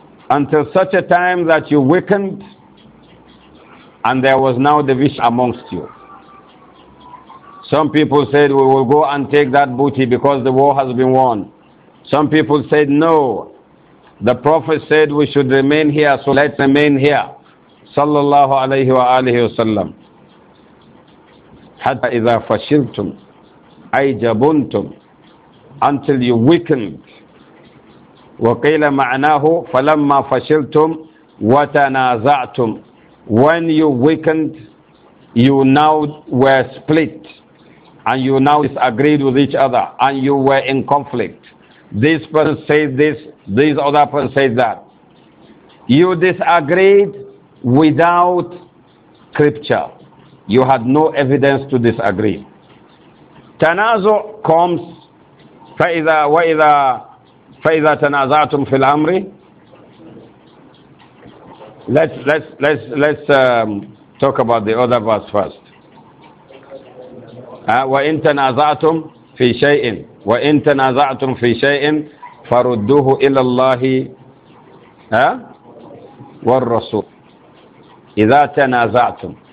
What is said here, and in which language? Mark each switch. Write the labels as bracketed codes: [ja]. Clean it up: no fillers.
[en] Until such a time that you weakened and there was now division amongst you. Some people said, we will go and take that booty because the war has been won. Some people said, no. The Prophet said, we should remain here, so let's remain here. Sallallahu alayhi wa alihi wa sallam. [ar] حَتَّى إِذَا فَشِلْتُمْ أَيْ جَبُنْتُمْ, [en] until you weakened. [ar] وَقِيلَ مَعْنَاهُ فَلَمَّا فَشِلْتُمْ وَتَنَازَعْتُمْ, [en] when you weakened, you now were split. And you now disagreed with each other, and you were in conflict. This person says this, this other person says that. You disagreed without scripture. You had no evidence to disagree. [ar] Tanazu comes, فَإِذَا تَنَازَعْتُمْ فِي الْأَمْرِ, [en] Let's talk about the other verse first. [ar] وَإِن تَنَازَعْتُمْ فِي شَيْءٍ وَإِن تَنَازَعْتُمْ فِي شَيْءٍ فَرُدُّوهُ إِلَى اللَّهِ وَالرَّسُولِ إِذَا تَنَازَعْتُمْ.